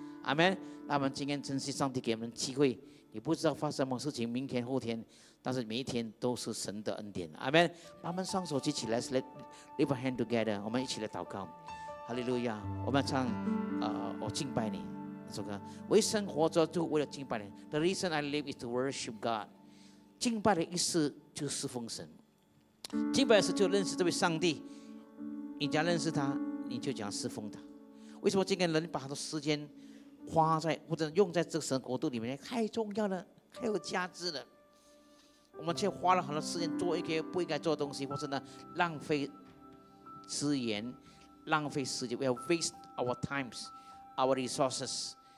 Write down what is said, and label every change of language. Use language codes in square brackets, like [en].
[zh] 阿们，那我们今天珍惜上帝给我们机会，你不知道发生什么事情，明天后天，但是每一天都是神的恩典。阿们，把我们双手举起来 ， [en] Lift a hand together， [zh] 我们一起来祷告。哈利路亚，我们唱，我敬拜你，那首歌。我一生活着就为了敬拜你。 [en] The reason I live is to worship God。 [zh] 敬拜的意思就是侍奉神，敬拜的意思就认识这位上帝。你只要认识他，你就讲侍奉他。为什么今天人把很多时间？花在或者用在这个神国度里面太重要了，太有价值了，我们却花了很多时间做一些不应该做的东西，或者呢浪费资源，浪费时间。 [en] We have waste our times, our resources.